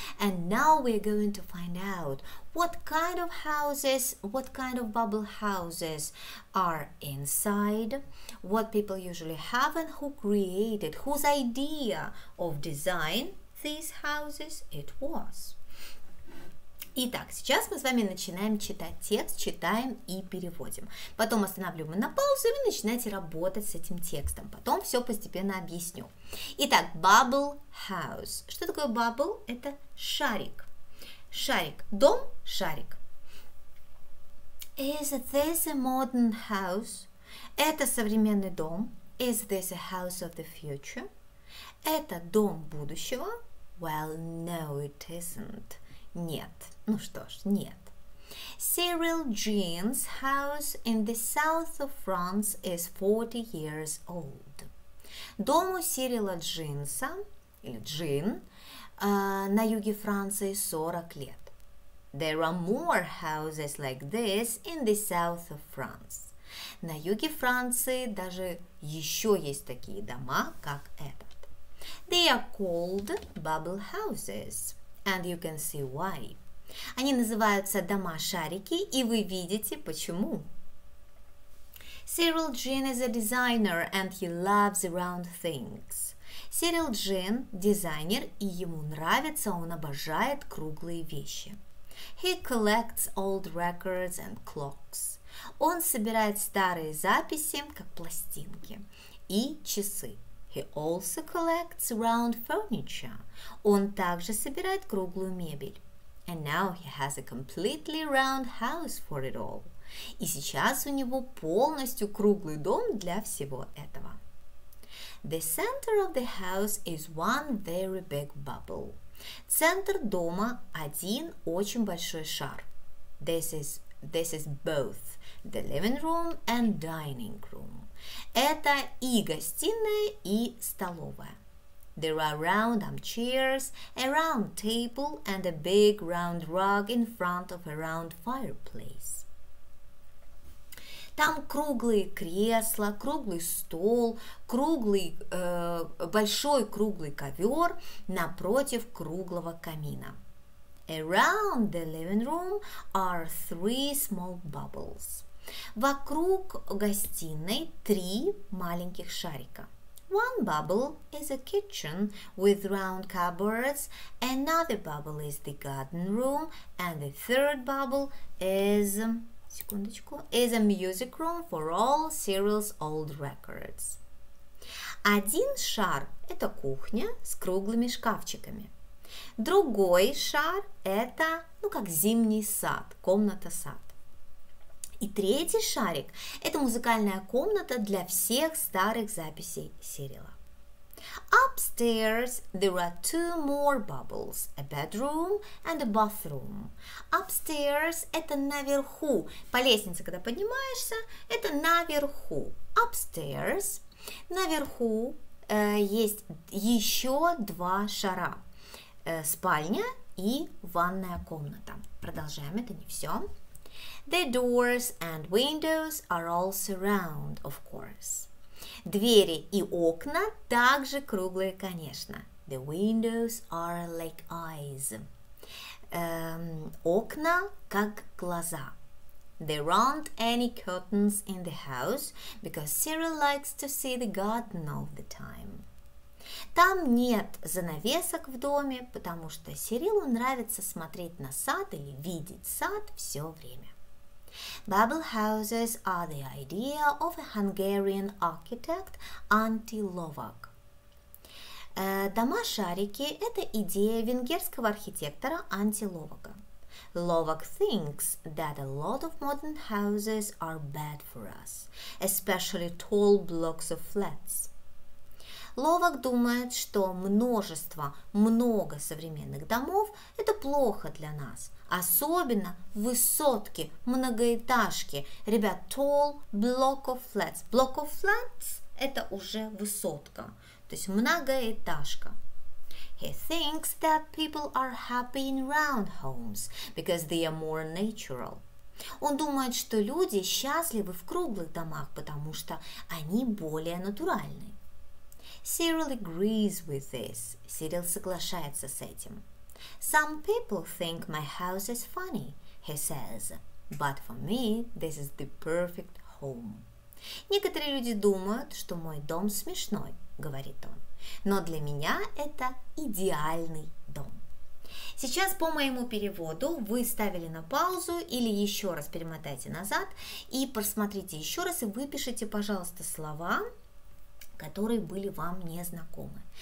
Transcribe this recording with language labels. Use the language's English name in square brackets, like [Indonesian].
[English] And now we are going to find out what kind of houses, what kind of bubble houses are inside, what people usually have and who created, whose idea of design these houses it was. [Russian] Итак, сейчас мы с вами начинаем читать текст, читаем и переводим. Потом останавливаем на паузу, и вы начинаете работать с этим текстом. Потом все постепенно объясню. Итак, bubble house. Что такое bubble? Это шарик. Шарик. Дом – шарик. [English] Is this a modern house? [Russian] Это современный дом. [English] Is this a house of the future? [Russian] Это дом будущего? [English] Well, no, it isn't. [Russian] Нет. Ну что ж, нет. [English] Cyril Jean's house in the south of France is 40 years old. [Russian] Дом у Сирила Джинса, или Джин, на юге Франции 40 лет. [English] There are more houses like this in the south of France. [Russian] На юге Франции даже еще есть такие дома, как этот. [English] They are called bubble houses, and you can see why. [Russian] Они называются дома-шарики, и вы видите, почему. [English] Cyril Jean is a designer, and he loves round things. [Russian] Cyril Jean – дизайнер, и ему нравится, он обожает круглые вещи. [English] He collects old records and clocks. [Russian] Он собирает старые записи, как пластинки, и часы. [English] He also collects round furniture. [Russian] Он также собирает круглую мебель. [English] And now he has a completely round house for it all. [Russian] И сейчас у него полностью круглый дом для всего этого. [English] The center of the house is one very big bubble. [Russian] Центр дома – один очень большой шар. [English] This is both the living room and dining room. [Russian] Это и гостиная, и столовая. [English] There are round armchairs, a round table, and a big round rug in front of a round fireplace. [Russian] Там круглые кресла, круглый стол, большой круглый ковер напротив круглого камина. [English] Around the living room are three small bubbles. [Russian] Вокруг гостиной три маленьких шарика. [English] One bubble is a kitchen with round cupboards, another bubble is the garden room, and the third bubble is, [Russian] секундочку, [English] is a music room for all Cyril's old records. [Russian] Один шар – это кухня с круглыми шкафчиками. Другой шар – это, ну, как зимний сад, комната-сад. И третий шарик – это музыкальная комната для всех старых записей Сирила. [English] Upstairs there are two more bubbles, a bedroom and a bathroom. [Russian] Upstairs – это наверху. По лестнице, когда поднимаешься, это наверху. Upstairs – наверху есть еще два шара. Спальня и ванная комната. Продолжаем, это не все. [English] The doors and windows are also round, of course. [Russian] Двери и окна также круглые, конечно. [English] The windows are like eyes. [Russian] Окна как глаза. [English] There aren't any curtains in the house, because Cyril likes to see the garden all the time. [Russian] Там нет занавесок в доме, потому что Сирилу нравится смотреть на сад или видеть сад все время. [English] Bubble houses are the idea of a Hungarian architect, Antti Lovak. [Russian] Дома-шарики – это идея венгерского архитектора Антти Ловака. [English] Lovak thinks that a lot of modern houses are bad for us, especially tall blocks of flats. [Russian] Ловак думает, что много современных домов – это плохо для нас, особенно высотки, многоэтажки. Ребят, [English] tall block of flats. Block of flats [Russian] – это уже высотка, то есть многоэтажка. [English] He thinks that people are happy in round homes, because they are more natural. [Russian] Он думает, что люди счастливы в круглых домах, потому что они более натуральны. [English] Cyril agrees with this. Cyril [Russian] соглашается с этим. [English] Some people think my house is funny, he says, but for me this is the perfect home. [Russian] Некоторые люди думают, что мой дом смешной, говорит он, но для меня это идеальный дом. Сейчас по моему переводу вы ставили на паузу или еще раз перемотайте назад и посмотрите еще раз и выпишите, пожалуйста, слова, которые были вам незнакомы.